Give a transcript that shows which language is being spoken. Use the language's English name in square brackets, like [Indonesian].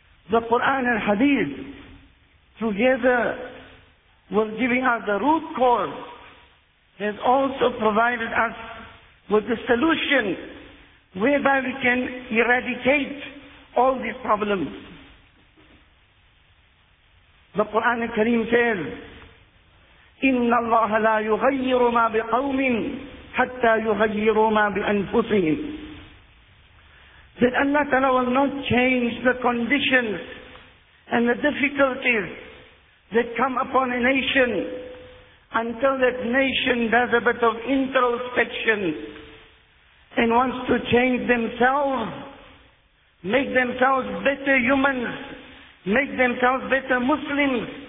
[English] The Quran and Hadith together with giving us the root cause has also provided us with the solution whereby we can eradicate all these problems. The Quran al-Kareem says, [Arabic] إِنَّ اللَّهَ لَا يُغَيِّرُ مَا بِقَوْمٍ حَتَّى يُغَيِّرُ مَا بِأَنفُسِهِمْ. [English] That Allah Ta'ala will not change the conditions and the difficulties that come upon a nation until that nation does a bit of introspection and wants to change themselves, make themselves better humans, make themselves better Muslims.